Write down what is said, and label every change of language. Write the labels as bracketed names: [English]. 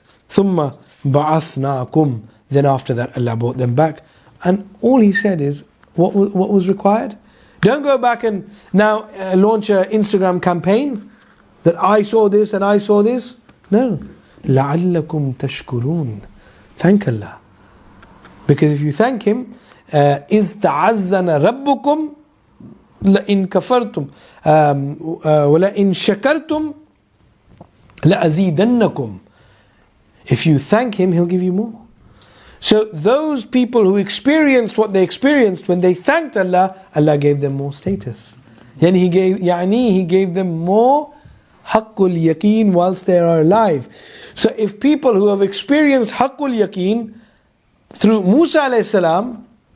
[Arabic] Thumma ba'athnaakum. [English] Then after that, Allah brought them back. And all he said is, what was required? Don't go back and now launch an Instagram campaign that I saw this and I saw this. No. [Arabic] لَعَلَّكُمْ تَشْكُرُونَ. [English] Thank Allah. Because if you thank Him, is [Arabic] تَعَزَّنَ رَبُّكُمْ لَإِن كَفَرْتُمْ وَلَإِن شَكَرْتُمْ لَأَزِيدَنَّكُمْ. [English] If you thank Him, He'll give you more. So those people who experienced what they experienced, when they thanked Allah, Allah gave them more status. Then he gave them more haqqul yaqeen whilst they are alive. So if people who have experienced haqqul yaqeen through Musa alayhi salam,